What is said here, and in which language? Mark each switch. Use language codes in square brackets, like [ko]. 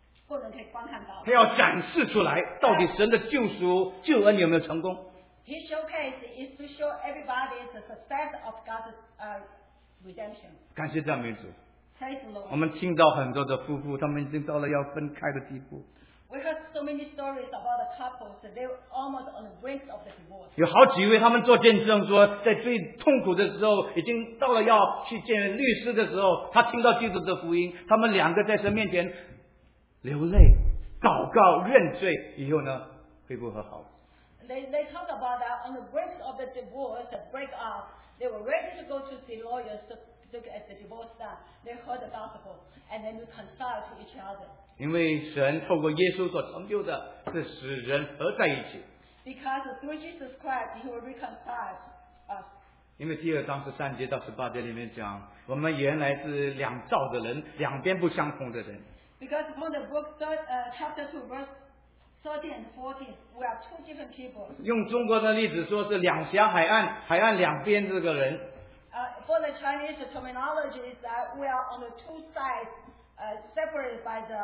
[zh] 他要展示出来到底神的救赎救恩有没有成功。 [en] His showcase is to show everybody the success of God's redemption. [zh] 感谢赞美主。 [en] Praise the Lord. [zh] 我们听到很多的夫妇他们已经到了要分开的地步。 [en] We heard so many stories about the couples that they were almost on the brink of the divorce. [zh] 有好几位他们做见证说在最痛苦的时候已经到了要去见律师的时候他听到基督的福音他们两个在神面前流泪祷告认罪以后呢恢复和好。 [en] They talk about that on the brink of the divorce, the break up, they were ready to go to see lawyers to get the divorce done. They heard the gospel and then reconciled to each other. [zh] 因为神透过耶稣所成就的是使人合在一起。 [en] Because through Jesus Christ, he will reconcile us. [zh] 因为第二章十三节到十八节里面讲我们原来是两造的人两边不相同的人。 [en] Because from the book chapter 2 verse 13 and 14 we are two different people. [zh] 用中国的例子说是两峡海岸海岸两边这个人。 [en] For the Chinese terminology is that we are on the two sides separated by